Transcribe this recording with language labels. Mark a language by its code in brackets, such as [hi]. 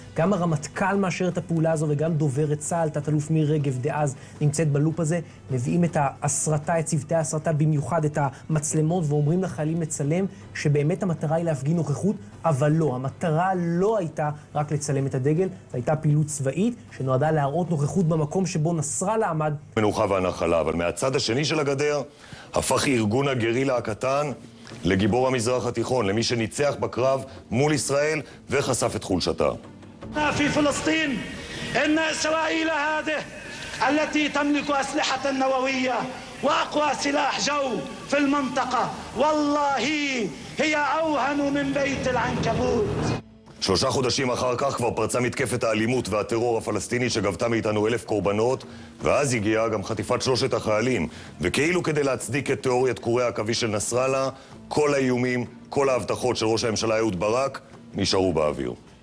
[he] גם הרמטכ"ל מאשר את הפעולה הזו, וגם דוברת צה"ל, תת-אלוף מיר רגב דאז, נמצאת בלופ הזה, מביאים את ההסרטה, את צוותי ההסרטה, במיוחד את המצלמות, ואומרים לחיילים לצלם, שבאמת המטרה היא להפגין נוכחות, אבל לא, המטרה לא הייתה רק לצלם את הדגל, זו הייתה פעילות צבאית שנועדה להראות נוכחות במקום שבו נסראללה עמד. מנוחה והנחלה, אבל מהצד השני של הגדר הפך ארגון הגרילה הקטן לגיבור המזרח התיכון, למי שניצח בקרב מול ישראל וחשף את חולשתה. [ar] في فلسطين ان اسرائيل هذه التي تملك اسلحه نوويه واقوى سلاح جو في المنطقه والله هي اوهن من بيت العنكبوت. [he] שלושה חודשים אחר כך כבר פרצה מתקפת האלימות והטרור הפלסטיני שגבתה מאיתנו 1,000 קורבנות, ואז הגיעה גם חטיפת שלושת החיילים. וכאילו כדי להצדיק את תיאוריית קורי עכביש של נסראללה, כל האיומים, כל ההבטחות של ראש הממשלה אהוד ברק נשארו באוויר.